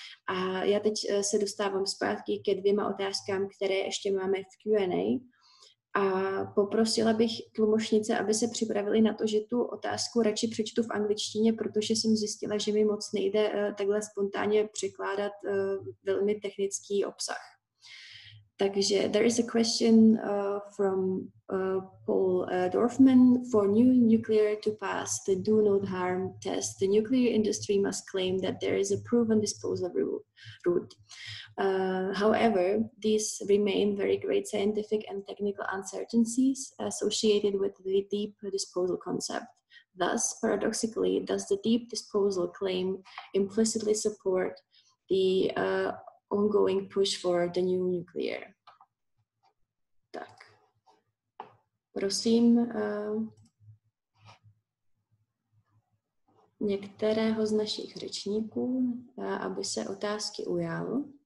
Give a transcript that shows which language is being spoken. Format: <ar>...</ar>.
<cs>A já teď se dostávám zpátky ke dvěma otázkám, které ještě máme v Q&A. A poprosila bych tlumočnice, aby se připravili na to, že tu otázku radši přečtu v angličtině, protože jsem zjistila, že mi moc nejde takhle spontánně překládat velmi technický obsah.</cs> <en>Takže there is a question from Paul Dorfman. For new nuclear to pass the do not harm test, the nuclear industry must claim that there is a proven disposal route. However, these remain very great scientific and technical uncertainties associated with the deep disposal concept. Thus, paradoxically, does the deep disposal claim implicitly support the ongoing push for the new nuclear?</en> <cs>Prosím, některého z našich řečníků, aby se otázky ujal.</cs>